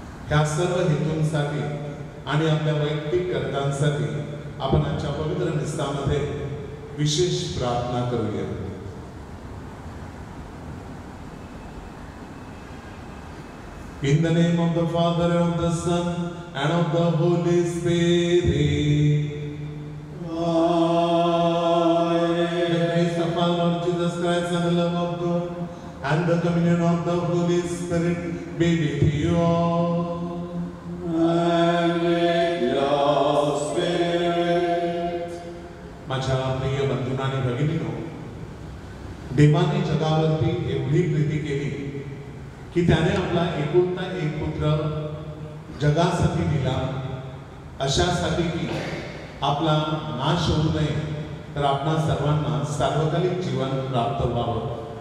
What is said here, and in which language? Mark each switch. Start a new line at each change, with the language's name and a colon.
Marathi: या सर्व हेतूंसाठी आणि आपल्या वैयक्तिक कर्तांसाठी आपण आजच्या पवित्र निस्तामध्ये विशेष प्रार्थना करूया.
English: In the name of the Father, and of the Son, and of the Holy Spirit. Amen. In the grace of our Lord Jesus Christ, and the love of God, and the communion of the Holy Spirit be with you all. And with your spirit.
Marathi: माझ्या प्रिय बंधूंनी भगिनींनो, देवाने जगावरती एवढी प्रीती केली की त्याने आपला एकुलता एक पुत्र जगासाठी दिला, अशासाठी की आपला नाश होऊ नये तर आपणा सर्वांना सार्वकालिक जीवन प्राप्त व्हावं.